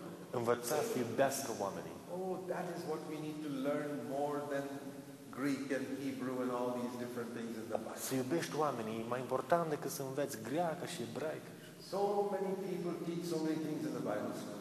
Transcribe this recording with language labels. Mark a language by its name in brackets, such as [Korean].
[Romanian] Învăța să iubească oamenii. [English] Oh, that is what we need to learn more than Greek and Hebrew and all these different things in the Bible. [Romanian] Să iubești oamenii, mai important decât să înveți greacă și ebraică. [English] So many people teach so many things in the Bible.